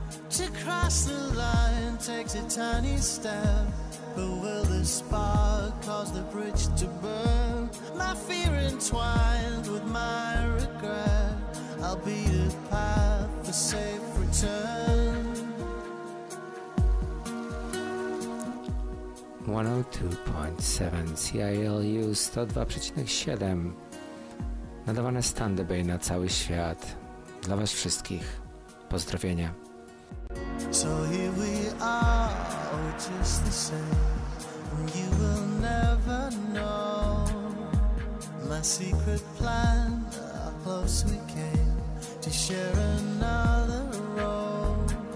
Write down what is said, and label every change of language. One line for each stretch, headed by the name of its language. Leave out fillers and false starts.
English: To cross the line takes a tiny step, but will the spark cause the bridge to burn? My fear entwined with my regret, I'll be a path for safe return.
Polish: 102.7 CILU 102,7 nadawane z Thunder Bay na cały świat. Dla was wszystkich pozdrowienia.
English: So here we are, just the same, and you will never know my secret plan, how close we came to share another road.